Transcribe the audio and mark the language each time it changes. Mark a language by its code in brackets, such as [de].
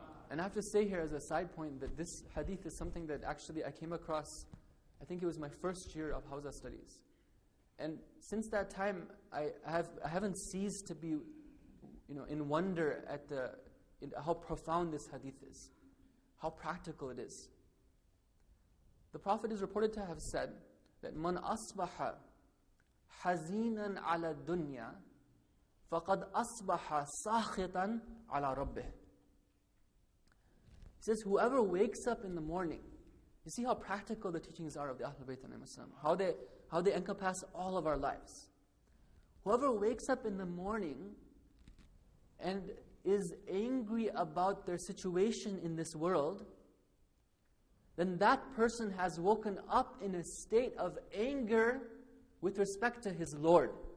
[en] And I have to say here as a side point that this hadith is something that actually I came across, I think it was my first year of Hawza studies. And since that time, I haven't ceased to be, you know, in wonder at how profound this hadith is, how practical it is. The Prophet is reported to have said that [ar] من أصبح حزينا على الدنيا فقد أصبح ساخطا على ربه. [en] He says, whoever wakes up in the morning, you see how practical the teachings are of the Ahlul Bayt, how they encompass all of our lives. Whoever wakes up in the morning and is angry about their situation in this world, then that person has woken up in a state of anger with respect to his Lord.